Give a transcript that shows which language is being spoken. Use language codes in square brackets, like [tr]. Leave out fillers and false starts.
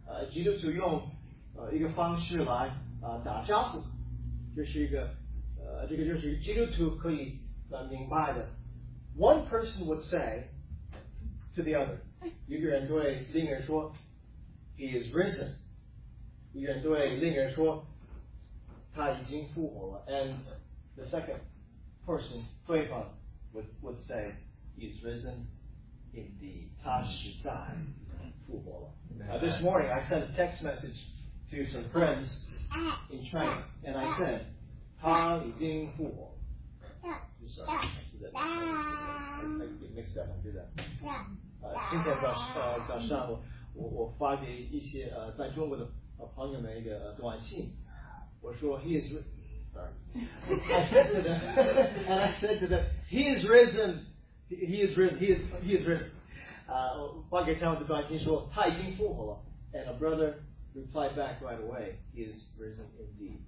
[zh] 基督徒用一个方式来打招呼。就是一个这个就是基督徒可以明白的。 [en] One person would say to the other, [zh] 一个人对另一个人说 [en] He is risen. [zh] 一个人对另一个人说他已经复活了。 [en] And the second person, [zh] 对方 [en] would say, He is risen indeed. [zh] 他实在复活了。 [en] This morning I sent a text message to some friends in China, and I said, [zh] 他已经复活了。今天早上我发给一些在中国的朋友们一个短信，我说 [en] He is risen. [zh] 发给他们的短信说他已经复活了。 [en] And a brotherreply back right away, he is risen indeed.